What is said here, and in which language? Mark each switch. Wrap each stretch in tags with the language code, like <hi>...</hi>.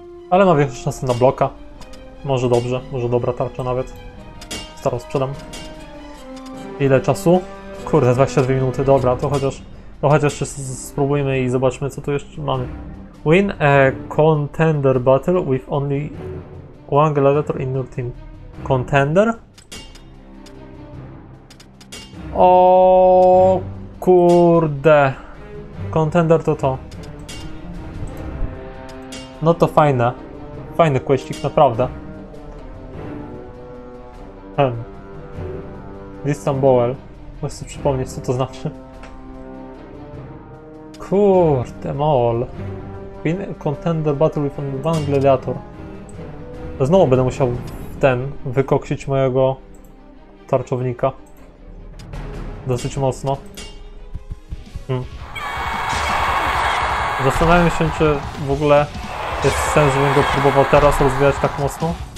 <pl>Ale ma większe szanse na bloka. Może dobrze, może dobra tarcza nawet. Starą sprzedam. Ile czasu? Kurde, 22 minuty. Dobra, to chociaż... No chociaż spróbujmy i zobaczmy, co tu jeszcze mamy.</pl> <en>Win a contender battle with only one gladiator in your team. Contender?</en> <pl>O kurde. Contender to. No to fajne. Fajny questik, naprawdę. Istanbul. Muszę sobie przypomnieć, co to znaczy. Kurde, mol.</pl> <en>Win contender battle with only one gladiator.</en> <pl>Znowu będę musiał wykoksić mojego tarczownika. Dosyć mocno. Zastanawiam się, czy w ogóle jest sens, żebym go próbował teraz rozwijać tak mocno.</pl>